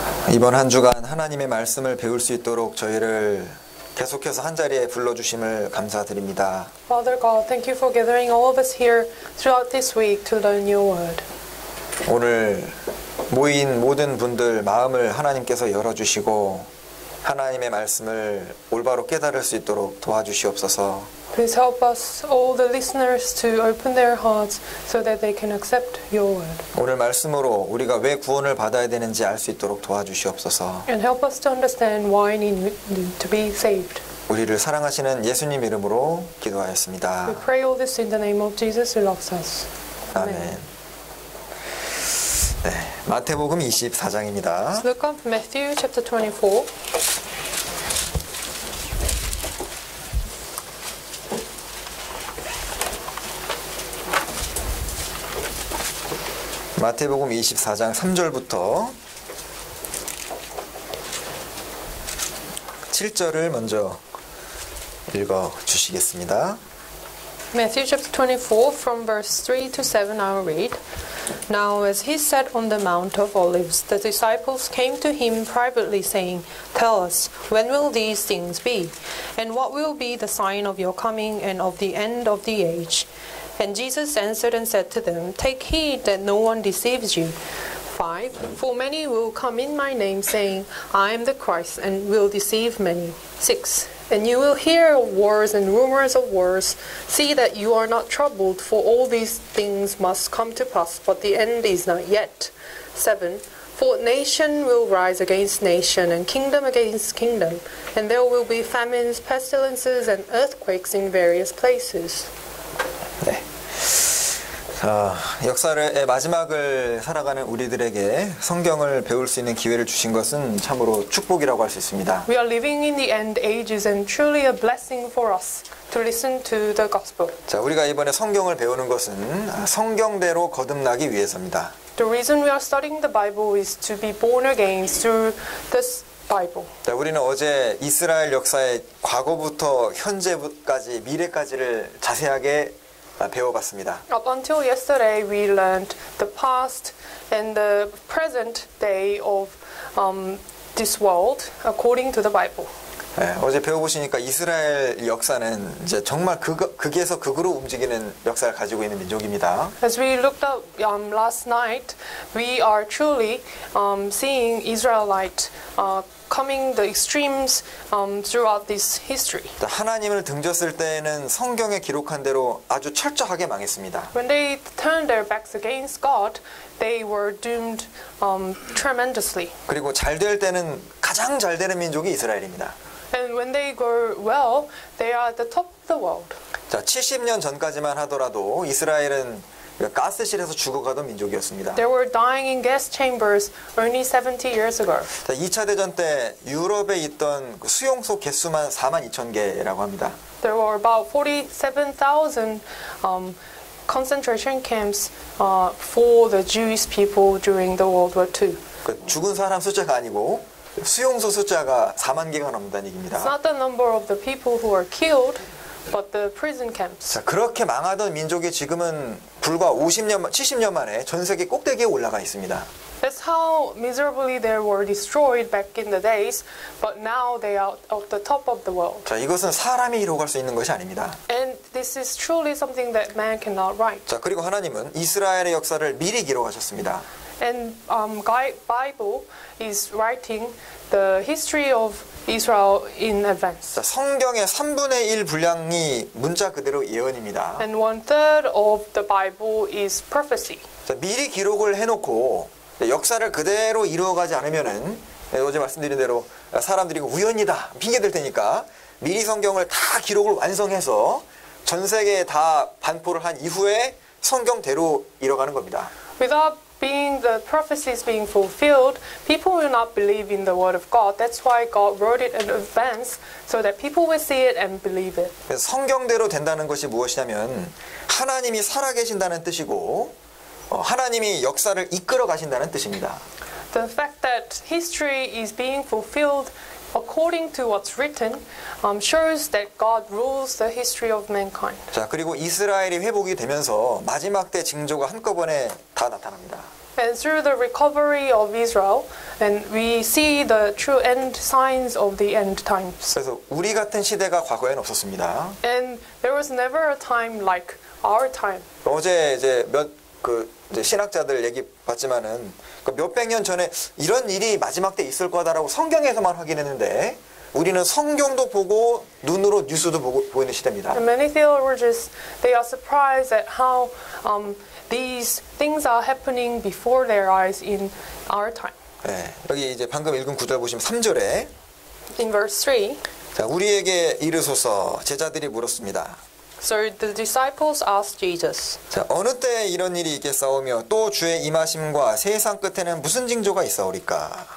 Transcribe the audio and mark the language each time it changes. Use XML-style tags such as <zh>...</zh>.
<ko>이번 한 주간 하나님의 말씀을 배울 수 있도록 저희를 계속해서 한 자리에 불러 주심을 감사드립니다.</ko> <en>Father God, thank you for gathering all of us here throughout this week to learn your word.</en> <ko>오늘 모인 모든 분들 마음을 하나님께서 열어 주시고 하나님의 말씀을 올바로 깨달을 수 있도록 도와주시옵소서.</ko> <en>Please help us all the listeners to open their hearts so that they can accept your word.</en> <ko>오늘 말씀으로 우리가 왜 구원을 받아야 되는지 알 수 있도록 도와주시옵소서.</ko> <en>And help us to understand why we need to be saved.</en> <ko>우리를 사랑하시는 예수님 이름으로 기도하였습니다.</ko> <en>We pray all this in the name of Jesus who loves us.</en> <ko>아멘. 네, 마태복음 24장입니다.</ko> <en>Let's look up Matthew chapter 24.</en> <ko>마태복음 24장 3절부터 7절을 먼저 읽어 주시겠습니다.</ko> <en>Matthew chapter 24 from verse 3 to 7 I'll read. Now as he sat on the Mount of Olives, the disciples came to him privately saying, Tell us, when will these things be? And what will be the sign of your coming and of the end of the age? And Jesus answered and said to them, Take heed that no one deceives you. 5. For many will come in my name, saying, I am the Christ, and will deceive many. 6. And you will hear of wars and rumors of wars. See that you are not troubled, for all these things must come to pass, but the end is not yet. 7. For nation will rise against nation, and kingdom against kingdom. And there will be famines, pestilences, and earthquakes in various places.</en> <ko>네. 역사의 마지막을 살아가는 우리들에게 성경을 배울 수 있는 기회를 주신 것은 참으로 축복이라고 할 수 있습니다.</ko> <en>We are living in the end ages and truly a blessing for us to listen to the gospel.</en> <ko>자, 우리가 이번에 성경을 배우는 것은 성경대로 거듭나기 위해서입니다.</ko> <en>The reason we are studying the Bible is to be born again through this Bible.</en> <ko>자, 우리는 어제 이스라엘 역사의 과거부터 현재까지 미래까지를 자세하게 배워봤습니다.</ko> <en>Up until yesterday, we learned the past and the present day of this world according to the Bible.</en> <ko>네, 어제 배워보시니까 이스라엘 역사는 이제 정말 극에서 극으로 움직이는 역사를 가지고 있는 민족입니다.</ko> <en>As we looked up last night, we are truly seeing Israelite coming the extremes throughout this history.</en> <ko>하나님을 등졌을 때에는 성경에 기록한 대로 아주 철저하게 망했습니다.</ko> <en>When they turned their backs against God, they were doomed tremendously.</en> <ko>그리고 잘 될 때는 가장 잘 되는 민족이 이스라엘입니다.</ko> <en>And when they go well, they are at the top of the world.</en> <ko>자, 70년 전까지만 하더라도 이스라엘은 가스실에서 죽어가던 민족이었습니다.</ko> <en>They were dying in gas chambers only 70 years ago.</en> <ko>자, 2차 대전 때 유럽에 있던 수용소 개수만 4만 2천 개라고 합니다.</ko> <en>There were about 47,000 concentration camps for the Jewish people during the World War II.</en> <ko>그 죽은 사람 숫자가 아니고 수용소 숫자가 4만 개가 넘는다는 얘기입니다.</ko> <en>It's not the number of the people who are killed, but the prison camps.</en> <ko>자, 그렇게 망하던 민족이 지금은 불과 50년, 70년 만에 전 세계 꼭대기에 올라가 있습니다.</ko> <en>That's how miserably they were destroyed back in the days, but now they are at the top of the world.</en> <ko>자, 이것은 사람이 이뤄갈 수 있는 것이 아닙니다.</ko> <en>And this is truly something that man cannot write.</en> <ko>자, 그리고 하나님은 이스라엘의 역사를 미리 기록하셨습니다.</ko> <en>And Bible is writing the history of Israel in advance.</en> <ko>자, 성경의 3분의 1 분량이 문자 그대로 예언입니다.</ko> <en>And one third of the Bible is prophecy.</en> <ko>자, 미리 기록을 해놓고 역사를 그대로 이루어가지 않으면은 어제 말씀드린 대로 사람들이 우연이다 핑계 댈 테니까 미리 성경을 다 기록을 완성해서 전 세계에 다 반포를 한 이후에 성경대로 이뤄가는 겁니다.</ko> <en>Without being the prophecies being fulfilled, people will not believe in the word of God. That's why God wrote it in advance so that people will see it and believe it.</en> <ko>성경대로 된다는 것이 무엇이냐면 하나님이 살아계신다는 뜻이고 하나님이 역사를 이끌어 가신다는 뜻입니다.</ko> <en>The fact that history is being fulfilled according to what's written shows that God rules the history of mankind.</en> <ko>자, 그리고 이스라엘이 회복이 되면서 마지막 때 징조가 한꺼번에 다 나타납니다.</ko> <en>And through the recovery of Israel, and we see the true end signs of the end times.</en> <ko>그래서 우리 같은 시대가 과거에는 없었습니다.</ko> <en>And there was never a time like our time.</en> <ko>어제 이제 몇 그 이제 신학자들 얘기 봤지만은 그 몇백 년 전에 이런 일이 마지막 때 있을 거다라고 성경에서만 확인했는데 우리는 성경도 보고 눈으로 뉴스도 보고 보이는 시대입니다.</ko> <en>And many theologians, they are surprised at how these things are happening before their eyes in our time.</en> <ko>네, 여기 이제 방금 읽은 구절 보시면 3절에</ko> <en>In verse 3</en> <ko>자, 우리에게 이르소서 제자들이 물었습니다.</ko> <en>So the disciples asked Jesus.</en> <ko>자, 어느 때 이런 일이 있겠사오며 또 주의 임하심과 세상 끝에는 무슨 징조가 있사오리까?</ko>